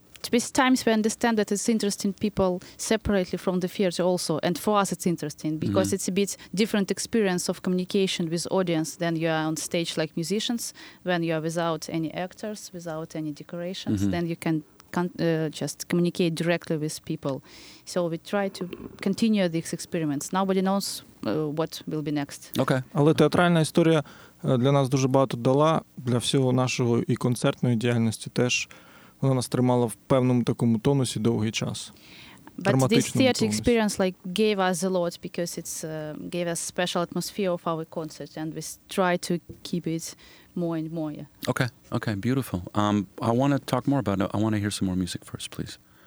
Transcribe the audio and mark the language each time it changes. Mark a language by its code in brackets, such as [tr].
[en] These times we understand that it's interesting people separately from the theater also, and for us it's interesting because it's a bit different experience of communication with audience than you are on stage like musicians, when you are without any actors, without any decorations, then you can just communicate directly with people. So we try to continue these experiments. Nobody knows what will be next. Okay. [uk] Але театральна історія для нас дуже багато дала, для всього нашого і концертної діяльності теж. Вона нас тримала в певному такому тонусі довгий час. [en] But this theater тонусі. Experience like gave us a lot because it's gave us special atmosphere of our concert and we try to keep it more and more. Yeah. Okay. Okay, beautiful. I want to talk more about it. I want to hear some more music first, please.